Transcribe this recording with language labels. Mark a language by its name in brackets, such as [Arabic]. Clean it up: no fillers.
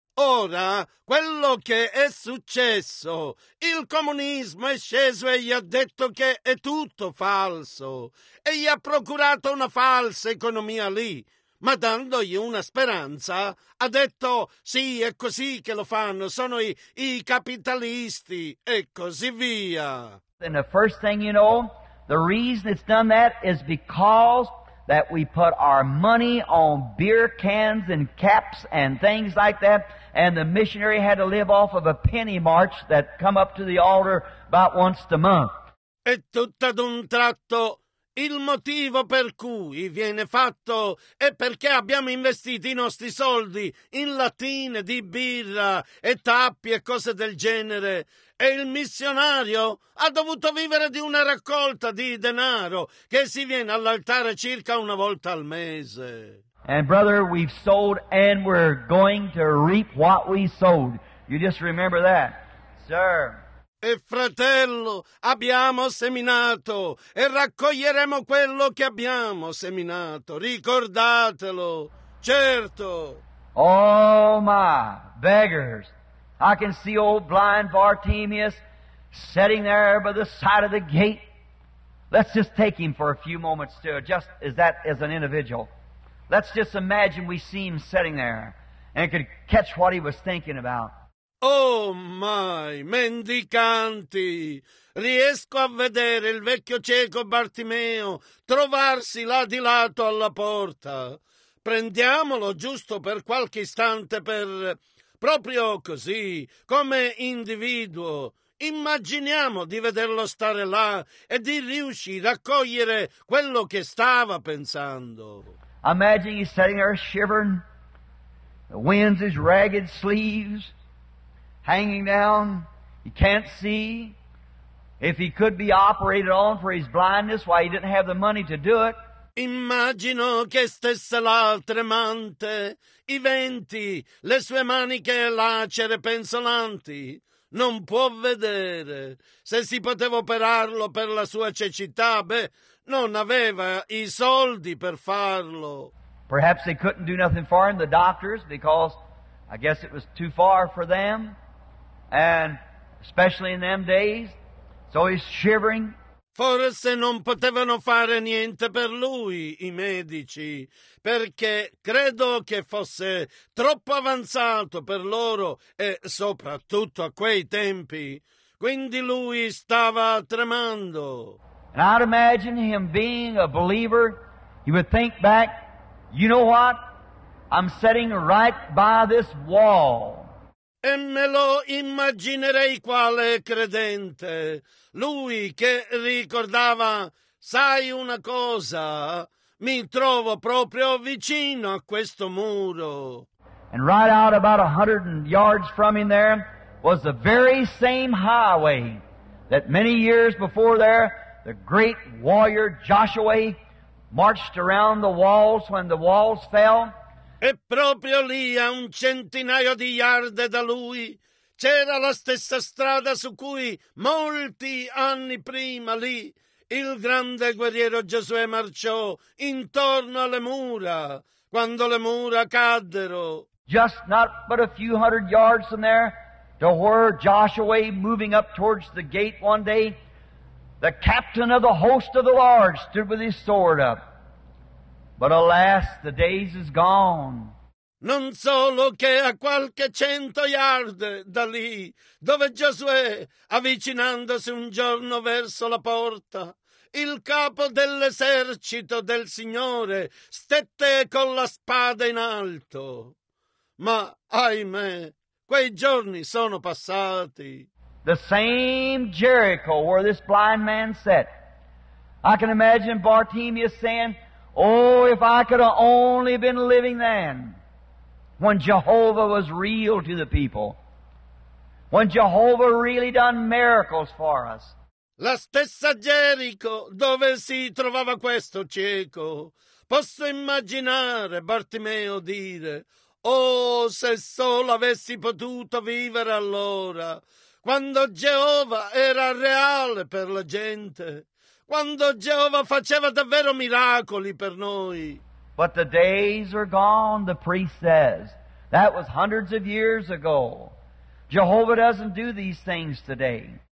[Italian] Ora, quello che è successo, il comunismo è sceso e gli ha detto che è tutto falso. E gli ha procurato una falsa economia lì. Ma dandogli una speranza, ha detto, sì, è così che lo fanno, sono i capitalisti, e così via. [English] And the first thing you know, the reason it's done that is because that we put our money on beer cans and caps and things like that, and the missionary had to live off of a penny march that come up to the altar about once a month. [Italian] E tutto ad un tratto, il motivo per cui viene fatto è perché abbiamo investito i nostri soldi in lattine di birra e tappi e cose del genere. E il missionario ha dovuto vivere di una raccolta di denaro che si viene all'altare circa una volta al mese. [English] And brother, we've sowed and we're going to reap what we sowed. You just remember that, sir. [Italian] E fratello, abbiamo seminato e raccoglieremo quello che abbiamo seminato. Ricordatelo, certo. [English] Oh, my, beggars. I can see old blind Bartimaeus sitting there by the side of the gate. Let's just take him for a few moments, too, just as that as an individual. Let's just imagine we see him sitting there and could catch what he was thinking about. Oh, my, [Italian] mendicanti! Riesco a vedere il vecchio cieco Bartimeo trovarsi là di lato alla porta. Prendiamolo giusto per qualche istante per... proprio così, come individuo. Immaginiamo di vederlo stare là e di riuscire a cogliere quello che stava pensando. [English] Imagine he's sitting there shivering, the wind's his ragged sleeves, hanging down, he can't see. If he could be operated on for his blindness, why he didn't have the money to do it. [Italian] Immagino che stesse là tremante, i venti, le sue maniche lacere penzolanti. Non può vedere. Se si poteva operarlo per la sua cecità, beh, non aveva i soldi per farlo. [English] Perhaps they couldn't do nothing for him, the doctors, because I guess it was too far for them, and especially in them days. So he's shivering. [Italian] Forse non potevano fare niente per lui, i medici, perché credo che fosse troppo avanzato per loro e soprattutto a quei tempi. Quindi lui stava tremando. [English] And I'd imagine him being a believer, he would think back, you know what? I'm sitting right by this wall. [Italian] E me lo immaginerei quale credente. Lui che ricordava, sai una cosa, mi trovo proprio vicino a questo muro. [English] And right out about 100 yards from him there was the very same highway that many years before there the great warrior Joshua marched around the walls when the walls fell. [Italian] E proprio lì, a un centinaio di yard da lui, c'era la stessa strada su cui molti anni prima lì il grande guerriero Giosuè marciò intorno alle mura, quando le mura caddero. [English] Just not but a few hundred yards from there, to where Joshua, moving up towards the gate one day, the captain of the host of the Lord stood with his sword up. But alas, the days is gone. [Italian] Non solo che a qualche cento yard da lì, dove Giosuè, avvicinandosi un giorno verso la porta, il capo dell'esercito del Signore stette con la spada in alto. Ma, ahimè, quei giorni sono passati. [English] The same Jericho where this blind man sat. I can imagine Bartimaeus saying, oh, if I could have only been living then, when Jehovah was real to the people, when Jehovah really done miracles for us. [Italian] La stessa Gerico dove si trovava questo cieco. Posso immaginare Bartimeo dire, oh, se solo avessi potuto vivere allora, quando Jehovah era reale per la gente. Quando Geova faceva davvero miracoli per noi. [English] But the days are gone, the priest says. That was hundreds of years ago. Jehovah doesn't do these things today.